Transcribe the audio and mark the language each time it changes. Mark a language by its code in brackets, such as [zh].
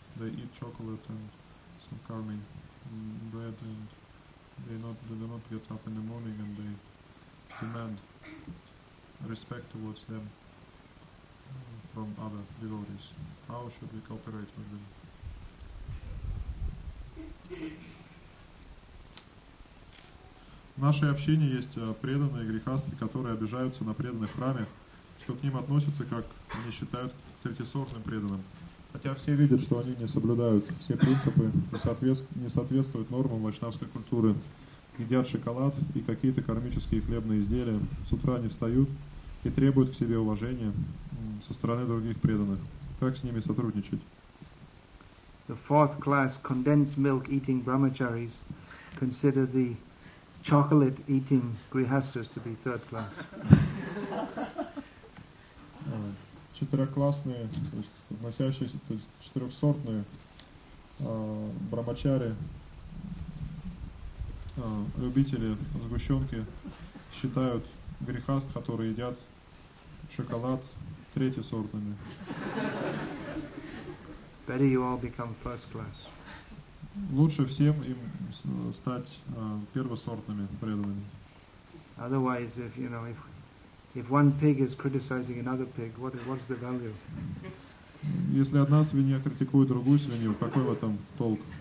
[en] They eat chocolate and some karmi bread, and they do not get up in the morning, and they demand respect towards them from other devotees. How should we cooperate with them? [ru] В нашей общине есть преданные грехасты, которые обижаются на преданных в храме, что к ним относятся, как они считают, к третьесортным преданным. Хотя все видят, что они не соблюдают все принципы, не соответствуют нормам вайшнавской культуры, едят шоколад и какие-то кармические хлебные изделия, с утра они встают и требуют к себе уважения со стороны других преданных. Как с ними сотрудничать? [en] The fourth class condensed milk eating brahmacharis consider the chocolate-eating grihasthas to be third class. [ru] Четырехклассные, то есть относящиеся, то есть четырехсортные брамачари, любители сгущенки, считают грихаст, которые едят шоколад, третьесортными. [en] Better you all become first class. [ru] Лучше всем им стать первосортными преданными. [en] Otherwise, if you know, if one pig is criticizing another pig, what's the value? [ru] Если одна свинья критикует другую свинью, какой в этом толк?